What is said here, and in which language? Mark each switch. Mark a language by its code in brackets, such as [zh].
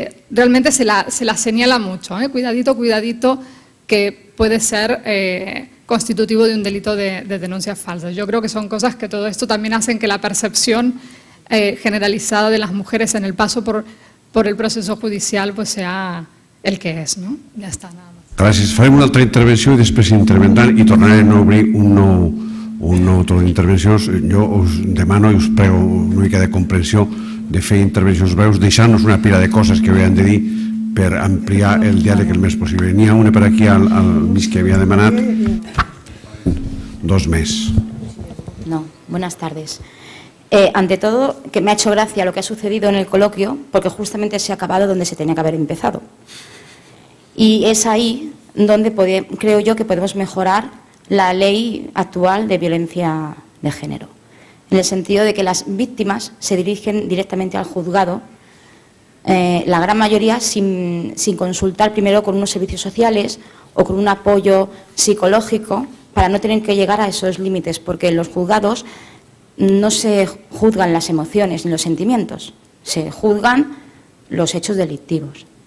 [es] Realmente se la señala mucho. Cuidadito, que puede ser constitutivo de un delito de denuncia falsa. Yo creo que son cosas que todo esto también hacen que la percepción generalizada de las mujeres en el paso por el proceso judicial, pues sea el que és, no? [ca] Ja està, [es] nada más. [ca] Gràcies. Farem una altra intervenció i després intervendran i tornarem a obrir un nou torn d'intervencions. Jo us demano i us prego una mica de comprensió de fer intervencions breus, deixant-nos una pila de coses que hauríem de dir per ampliar el diàleg el més possible. N'hi ha una per aquí al mig que havia demanat. Dos més. [es] No, buenas tardes. Ante todo, que me ha hecho gracia lo que ha sucedido en el coloquio, porque justamente se ha acabado donde se tenía que haber empezado. Y es ahí donde creo yo que podemos mejorar la ley actual de violencia de género, en el sentido de que las víctimas se dirigen directamente al juzgado, la gran mayoría sin consultar primero con unos servicios sociales o con un apoyo psicológico, para no tener que llegar a esos límites, porque los juzgados no se juzgan las emociones ni los sentimientos, se juzgan los hechos delictivos.